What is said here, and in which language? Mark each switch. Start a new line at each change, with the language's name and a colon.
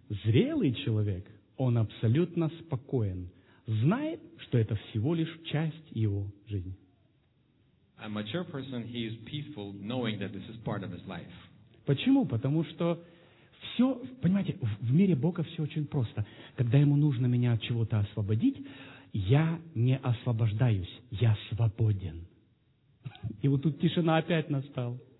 Russian: Зрелый человек, он абсолютно спокоен, знает, что это всего лишь часть его жизни.
English: A mature person, he is peaceful, knowing that this is part of his life.
Russian: Почему? Потому что все, понимаете, в мире Бога все очень просто. Когда ему нужно меня от чего-то освободить, я не освобождаюсь, я свободен. И вот тут тишина опять настала.